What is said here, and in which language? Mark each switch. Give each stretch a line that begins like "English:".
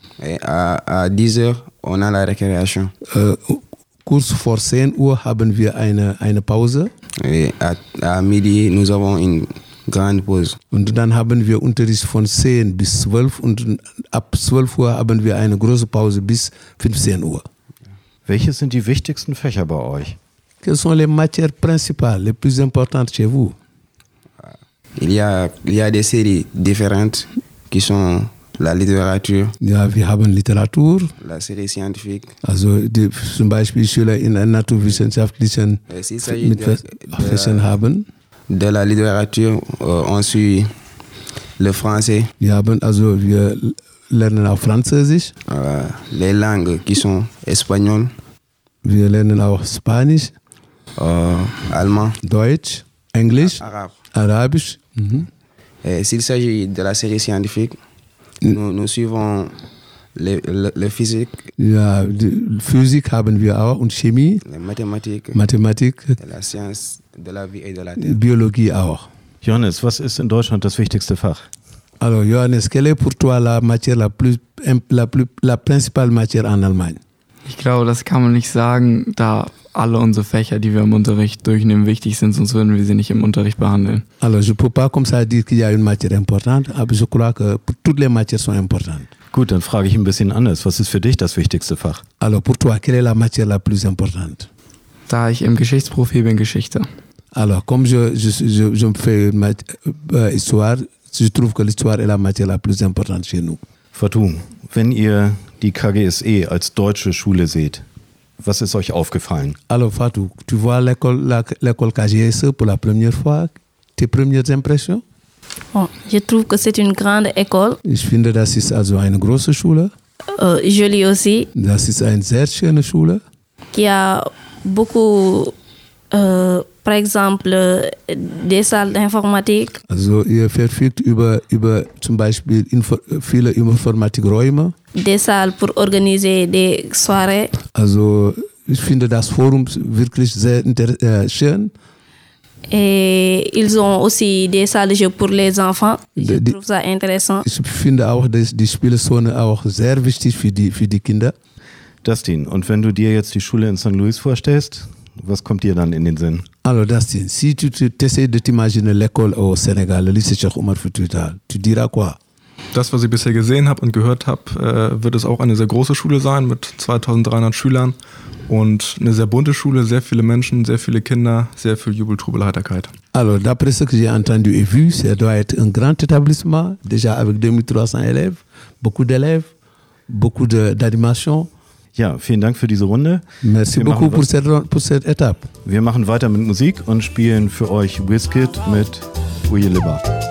French: Et à 10 heures, on a la récréation.
German: Kurz vor 10 Uhr haben wir eine Pause.
French: Et à midi, nous avons une grande Pause.
German: Und dann haben wir Unterricht von 10 bis 12 und ab 12 Uhr haben wir eine große Pause bis 15 Uhr. Welches sind die wichtigsten Fächer bei euch?
French: Quelles sont les matières principales, les plus importantes chez vous? Il y a des séries différentes qui sont la littérature.
German: Ja, wir haben Literatur.
French: La série scientifique.
German: Also zum Beispiel Schüler in einer naturwissenschaftlichen Fächern haben.
French: De la littérature, on suit le français.
German: Wir lernen auch Französisch.
French: Les langues qui sont espagnol.
German: Wir lernen auch Spanisch.
French: Allemand.
German: Deutsch. Englisch. Arabisch. Mm-hmm.
French: Et s'il s'agit de la série scientifique, nous suivons le physique.
German: Ja, die Physik haben wir auch und Chemie.
French: Les mathématiques. Mathématiques. Et la science. De la vie et de la
German: terre. Biologie auch. Johannes, was ist in Deutschland das wichtigste Fach?
French: Also Johannes, quelle est pour toi la matière la principale matière en Allemagne?
German: Ich glaube, das kann man nicht sagen, da alle unsere Fächer, die wir im Unterricht durchnehmen, wichtig sind, sonst würden wir sie nicht im Unterricht behandeln.
French: Also, je peux pas comme ça dire qu'il y a une matière importante, aber je crois que toutes les matières sont importantes.
German: Gut, dann frage ich ein bisschen anders. Was ist für dich das wichtigste Fach?
French: Also, pour toi, quelle est la matière la plus importante?
German: Da ich im Geschichtsprofil bin, Geschichte.
French: Alors, comme je me fais une histoire, je trouve que l'histoire est la matière la plus importante chez nous.
German: Fatou, wenn ihr die KGSE als deutsche Schule seht, was ist euch aufgefallen?
French: Alors, Fatou, tu vois l'école KGSE pour la première fois, tes premières impressions? Oh, je trouve que c'est une grande école.
German: Ich finde, das ist also eine große Schule.
French: Jolie aussi.
German: Das ist eine sehr schöne Schule. Ja.
French: Beaucoup, par exemple, des salles d'informatique.
German: Also, ihr verfügt über zum Beispiel viele Informatikräume.
French: Des salles pour organiser des soirées.
German: Also, ich finde das Forum wirklich sehr schön.
French: Et ils ont aussi des salles de jeux pour les enfants. Je trouve ça intéressant.
German: Ich finde auch, die Spiele sind auch sehr wichtig für die Kinder. Dustin, und wenn du dir jetzt die Schule in St. Louis vorstellst, was kommt dir dann in den Sinn?
French: Also Dustin, si tu t'essayes de t'imaginer l'école au Sénégal, le lycée Cheikh Omar Fouti Vital, tu diras quoi?
German: Das, was ich bisher gesehen habe und gehört habe, wird es auch eine sehr große Schule sein mit 2300 Schülern und eine sehr bunte Schule, sehr viele Menschen, sehr viele Kinder, sehr viel Jubel, Trubel, Heiterkeit.
French: Also, d'après ce que j'ai entendu et vu, ça doit être un grand établissement, déjà avec 2300 élèves, beaucoup d'élèves, beaucoup d'animation.
German: Ja, vielen Dank für diese Runde.
French: Merci beaucoup pour cette étape.
German: Wir machen weiter mit Musik und spielen für euch Wizkid mit Uyeleba.